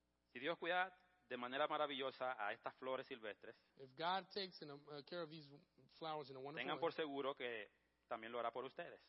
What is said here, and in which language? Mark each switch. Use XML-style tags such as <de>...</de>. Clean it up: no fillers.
<es>Si Dios cuida de manera maravillosa a estas flores silvestres,</es> <en>if God takes care of these flowers in a wonderful</en> <es>tengan por seguro que también lo hará por ustedes.</es>